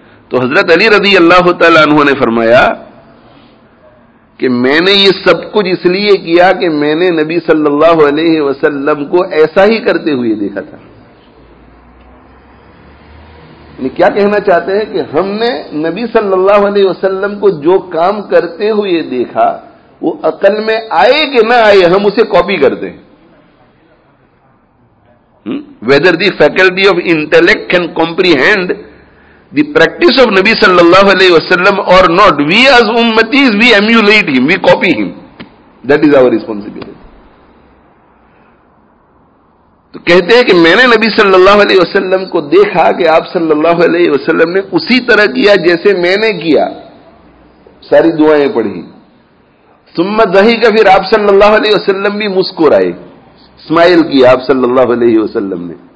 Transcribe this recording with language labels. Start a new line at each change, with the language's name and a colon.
Urdu: تو حضرت علی رضی اللہ تعالی عنہ نے فرمایا کہ میں نے یہ سب کچھ اس لیے کیا کہ میں نے نبی صلی اللہ علیہ وسلم کو ایسا ہی کرتے ہوئے دیکھا تھا. یعنی کیا کہنا چاہتے ہیں کہ ہم نے نبی صلی اللہ علیہ وسلم کو جو کام کرتے ہوئے دیکھا وہ عقل میں آئے کہ نہ آئے ہم اسے کاپی کرتے ہیں.
English: Whether the faculty of intellect can comprehend the practice of Nabi sallallahu alayhi wa sallam or not, we as ummatis, we emulate him, we copy him. That is our responsibility.
Urdu: تو کہتے ہیں کہ میں نے نبی صلی اللہ علیہ وسلم کو دیکھا کہ آپ صلی اللہ علیہ وسلم نے اسی طرح کیا جیسے میں نے کیا, ساری دعائیں پڑھی.
Arabic: ثم ضحک,
Urdu: پھر آپ صلی اللہ علیہ وسلم بھی مسکرائے, اسمائل کیا آپ صلی اللہ علیہ وسلم نے.